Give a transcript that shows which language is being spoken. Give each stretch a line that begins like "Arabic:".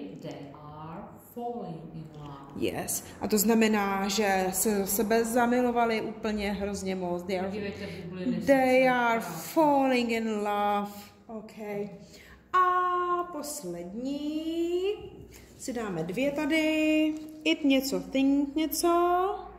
English: They are falling in love. Yes.
Czech: A to znamená, že se sebe zamilovali úplně hrozně moc.
English: They are falling in love. OK.
Czech: A poslední, si dáme dvě tady, it něco, think něco.